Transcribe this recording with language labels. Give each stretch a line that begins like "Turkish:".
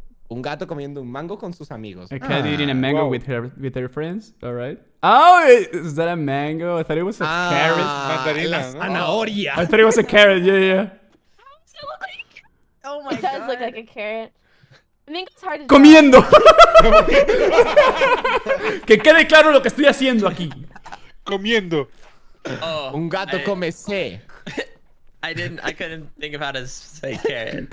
Spanish: Un gato comiendo un mango con sus amigos.
English: A cat eating a mango with her friends. All right. Oh, is that a mango? I thought it was a carrot.
Spanish: Mandarina. Zanahoria.
English: I thought it was a carrot. Yeah, yeah. How does it look like? Oh my God. It does look like a carrot. I think it's hard to
Spanish: comiendo. Que quede claro lo que estoy haciendo aquí. Comiendo. Oh, un gato come C.
English: I couldn't think of how to say carrot.